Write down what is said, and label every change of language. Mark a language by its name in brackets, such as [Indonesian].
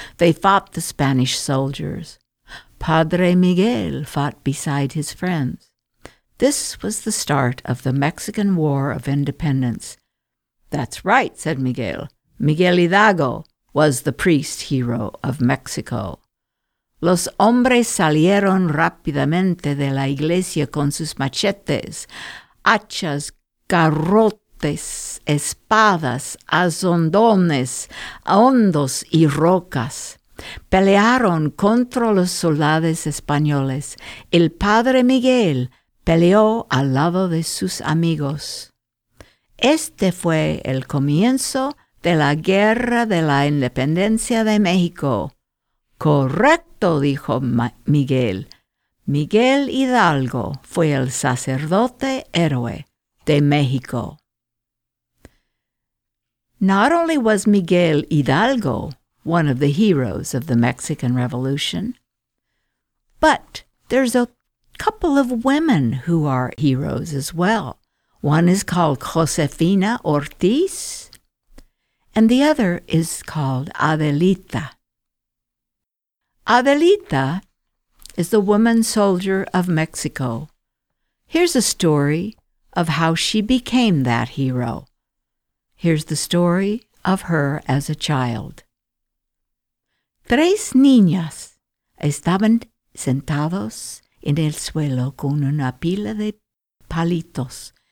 [English] They fought the Spanish soldiers. Padre Miguel fought beside his friends. This was the start of the Mexican War of Independence. That's right, said Miguel. Miguel Hidalgo was the priest hero of Mexico. [Spanish] Los hombres salieron rápidamente de la iglesia con sus machetes, hachas, garrotes, espadas, azondones, hondos y rocas. Pelearon contra los soldados españoles. El padre Miguel peleó al lado de sus amigos. Este fue el comienzo de la Guerra de la Independencia de México. Correcto, dijo Miguel. Miguel Hidalgo fue el sacerdote héroe de México. [English] Not only was Miguel Hidalgo one of the heroes of the Mexican Revolution, but there's a couple of women who are heroes as well. One is called Josefina Ortiz, and the other is called Adelita. Adelita is the woman soldier of Mexico. Here's a story of how she became that hero. Here's the story of her as a child. [Spanish] Tres niñas estaban sentados en el suelo con una pila de palitos.